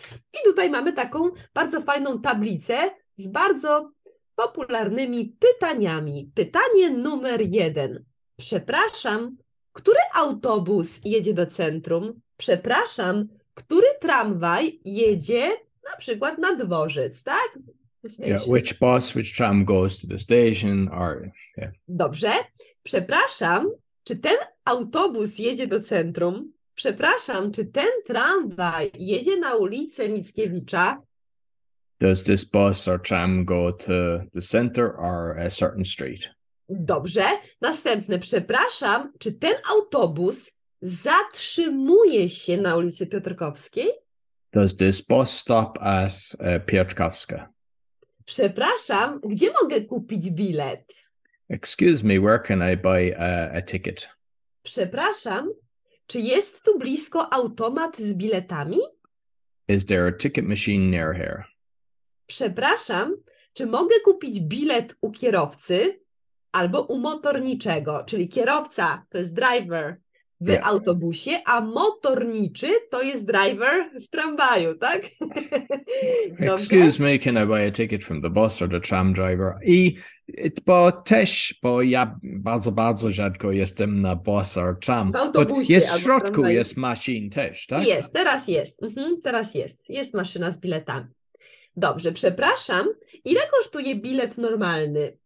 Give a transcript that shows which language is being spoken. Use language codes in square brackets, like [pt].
[pl] I tutaj mamy taką bardzo fajną tablicę z bardzo popularnymi pytaniami. Pytanie numer jeden. Przepraszam, który autobus jedzie do centrum? Przepraszam, który tramwaj jedzie na przykład na dworzec, tak? [en] Yeah, which bus, which tram goes to the station? Or, yeah. [pl] Dobrze. Przepraszam, czy ten autobus jedzie do centrum? Przepraszam, czy ten tramwaj jedzie na ulicę Mickiewicza? [en] Does this bus or tram go to the center or a certain street? [pl] Dobrze. Następne. Przepraszam, czy ten autobus... zatrzymuje się na ulicy Piotrkowskiej? [en] Does this bus stop at Piotrkowska? [pl] Przepraszam, gdzie mogę kupić bilet? [en] Excuse me, where can I buy a ticket? [pl] Przepraszam, czy jest tu blisko automat z biletami? [en] Is there a ticket machine near here? [pl] Przepraszam, czy mogę kupić bilet u kierowcy albo u motorniczego? Czyli kierowca, to jest driver. W yeah. autobusie, a motorniczy to jest driver w tramwaju, tak? [en] Excuse me, can I buy a ticket from the bus or the tram driver? [pl] I bo też, bo ja bardzo, bardzo rzadko jestem na [en] bus or tram. [pl] W autobusie, jest w środku, jest maszyn też, tak? Jest, teraz jest. Teraz jest. Jest maszyna z biletami. Dobrze, przepraszam. Ile kosztuje bilet normalny?